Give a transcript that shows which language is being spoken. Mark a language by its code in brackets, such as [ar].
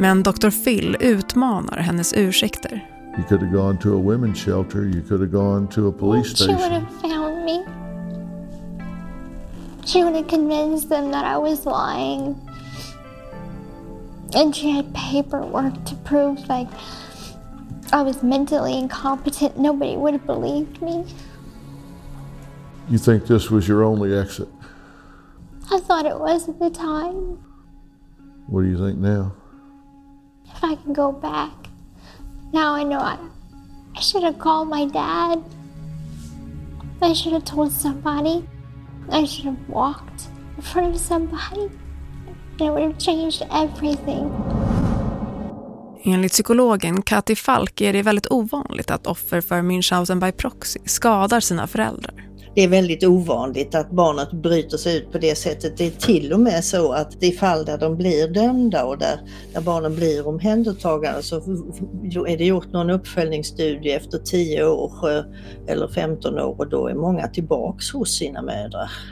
[sv] Men Dr. Phil utmanar hennes ursäkter. [en] You could have gone to a women's shelter. You could have gone to a police station. She would have found me. She would have convinced them that I was lying. And she had paperwork to prove like I was mentally incompetent. Nobody would have believed me. You think this was your only exit? I thought it was at the time. What do you think now? If I can go back, now I know I should have called my dad. I should have told somebody. I should have walked in front of somebody. It would have changed everything. [sv] Enligt psykologen Kathy Falk är det väldigt ovanligt att offer för Münchhausen by proxy skadar sina föräldrar. Det är väldigt ovanligt att barnet bryter sig ut på det sättet. Det är till och med så att i fall där de blir dömda och där barnen blir omhändertagande så är det gjort någon uppföljningsstudie efter 10 år eller 15 år och då är många tillbaks hos sina mödrar.